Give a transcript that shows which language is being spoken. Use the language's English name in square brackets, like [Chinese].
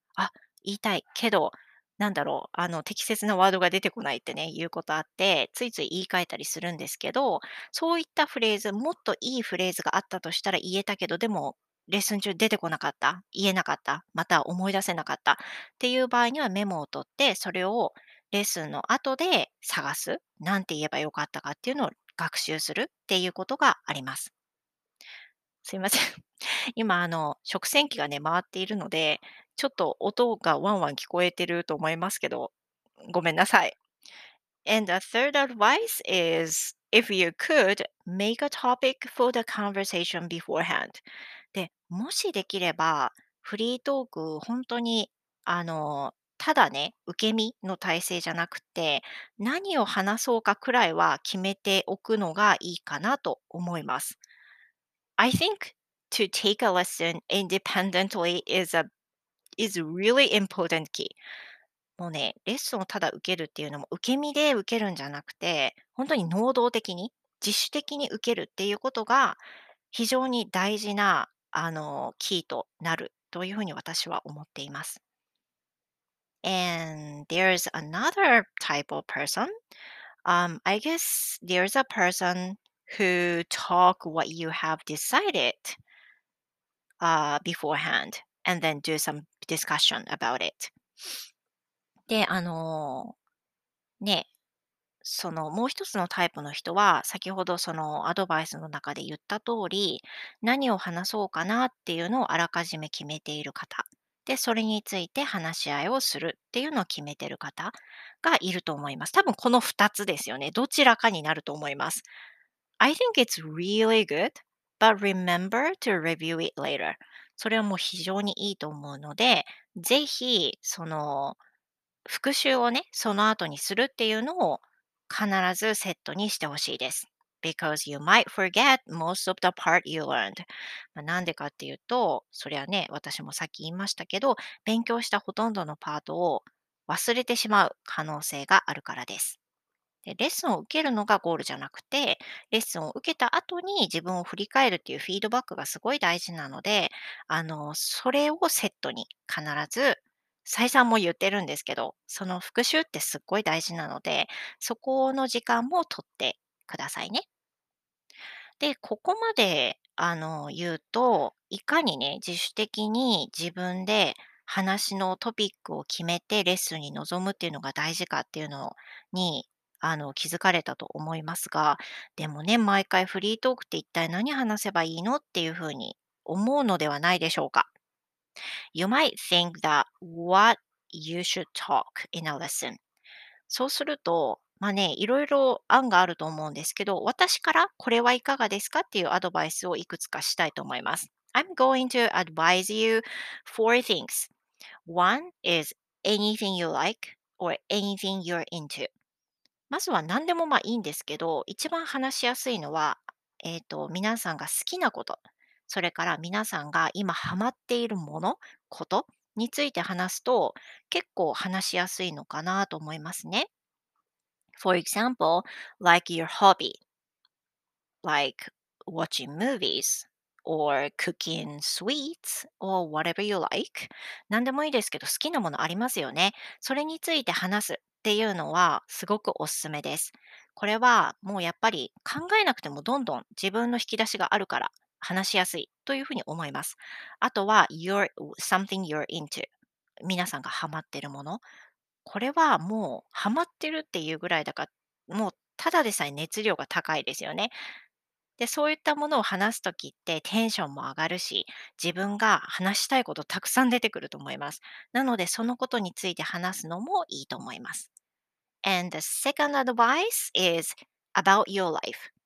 [Japanese] あ、言いたいけど、なんだろう、適切なワードが出てこないってね、いうことあって、ついつい言い換えたりするんですけど、そういったフレーズ、もっといいフレーズがあったとしたら言えたけど、でも、レッスン中出てこなかった、言えなかった、また思い出せなかったっていう場合にはメモを取って、それをレッスンの後で探す、なんて言えばよかったかっていうのを学習するっていうことがあります。すいません。今、食洗機がね、回っているので、ちょっと音がワンワン聞こえてると思いますけど、ごめんなさい。 [English] And the third advice is, if you could, make a topic for the conversation beforehand. [Japanese] で、もしできれば、フリートーク、本当に、ただね、受け身の体制じゃなくて、何を話そうかくらいは決めておくのがいいかなと思います。 [English] I think to take a lesson independently is really important key. [Japanese] もうね、レッスンをただ受けるっていうのも受け身で受けるんじゃなくて、本当に能動的に、自主的に受けるっていうことが非常に大事なキーとなるというふうに私は思っています。 [English] And there's another type of person. I guess there's a person who talk what you have decided beforehand and then do some discussion about it. [Japanese] で、ね、そのもう一つのタイプの人は、先ほどそのアドバイスの中で言った通り、何を話そうかなっていうのをあらかじめ決めている方。で、それについて話し合いをするっていうのを決めてる方がいると思います。多分この2つですよね。どちらかになると思います。 [English] I think it's really good, but remember to review it later. [Japanese] それはもう非常にいいと思うので、ぜひその復習をね、その後にするっていうのを必ずセットにしてほしいです。 [English] Because you might forget most of the part you learned. [Japanese] まあ、なんでかっていうと、そりゃね、私もさっき言いましたけど、勉強したほとんどのパートを忘れてしまう可能性があるからです。で、レッスンを受けるのがゴールじゃなくて、レッスンを受けた後に自分を振り返るっていうフィードバックがすごい大事なので、それをセットに必ず、再三も言ってるんですけど、その復習ってすっごい大事なので、そこの時間も取って、くださいね。で、ここまで言うと、いかにね、自主的に自分で話のトピックを決めてレッスンに臨むっていうのが大事かっていうのに気づかれたと思いますが、でもね、毎回フリートークって一体何話せばいいのっていうふうに思うのではないでしょうか。 [English] You might think that what you should talk in a lesson. [Japanese] そうするとまあね、いろいろ案があると思うんですけど、私からこれはいかがですかっていうアドバイスをいくつかしたいと思います。 [English] I'm going to advise you four things. One is anything you like or anything you're into. [Japanese] まずは何でもまあいいんですけど、一番話しやすいのは、皆さんが好きなこと、それから皆さんが今ハマっているもの、ことについて話すと、結構話しやすいのかなと思いますね。 [English] For example, like your hobby, like watching movies or cooking sweets or whatever you like. [Japanese] 何でもいいですけど、好きなものありますよね。それについて話すっていうのはすごくおすすめです。これはもうやっぱり考えなくてもどんどん自分の引き出しがあるから話しやすいというふうに思います。あとは [English] something you're into. [Japanese] 皆さんがハマってるもの。これはもうハマってるっていうぐらいだから、もうただでさえ熱量が高いですよね。で、そういったものを話すときってテンションも上がるし、自分が話したいことたくさん出てくると思います。なので、そのことについて話すのもいいと思います。 [English] And the second advice is about your life.